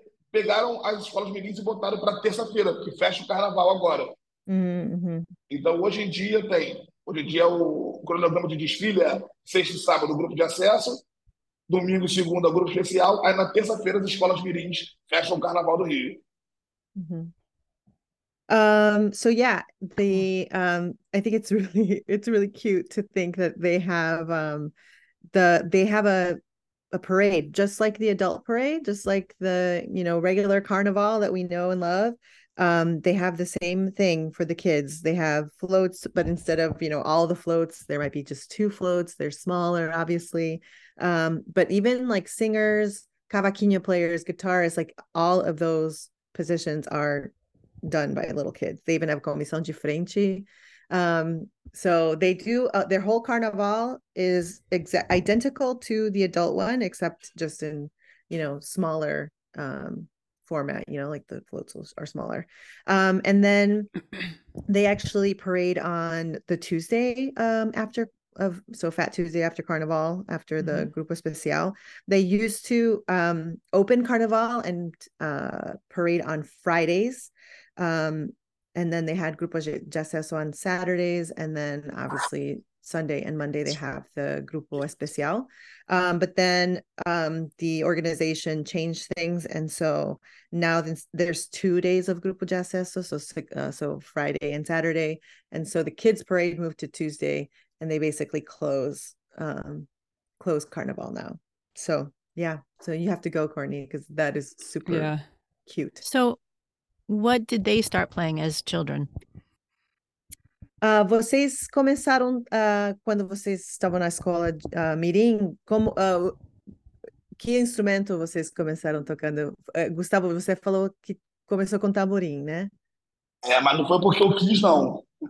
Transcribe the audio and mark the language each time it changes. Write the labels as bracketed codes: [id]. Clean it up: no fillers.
[pt] Pegaram as escolas mirins e botaram para terça-feira, que fecha o carnaval agora. Então, hoje em dia o cronograma de desfile é sexta e sábado o grupo de acesso, domingo e segunda grupo especial, aí na terça-feira as escolas mirins fecham o carnaval do Rio. [en] So yeah, the I think it's really cute to think that they have a parade just like the adult parade, just like the, you know, regular carnival that we know and love. They have the same thing for the kids. They have floats, but instead of, you know, all the floats, there might be just two floats. They're smaller, obviously. But even like singers, cavaquinho players, guitarists, like all of those positions are done by little kids. They even have comissão de frente. So they do, their whole carnival is exact identical to the adult one, except just in, you know, smaller format, you know, like the floats are smaller. And then they actually parade on the Tuesday after of so Fat Tuesday after Carnival, after the Grupo Especial. They used to open Carnival and parade on Fridays. And then they had Grupo de Acesso on Saturdays, and then obviously Sunday and Monday they have the Grupo Especial. But then the organization changed things, and so now there's 2 days of Grupo de Acesso, so Friday and Saturday, and so the kids parade moved to Tuesday, and they basically close Carnival now. So yeah, so you have to go, Courtney, because that is super Yeah. cute. So what did they start playing as children? [pt] Vocês começaram quando vocês estavam na escola Mirim, que instrumento vocês começaram tocando? Gustavo, você falou que começou com tamborim, né? É, mas não foi porque eu quis, não.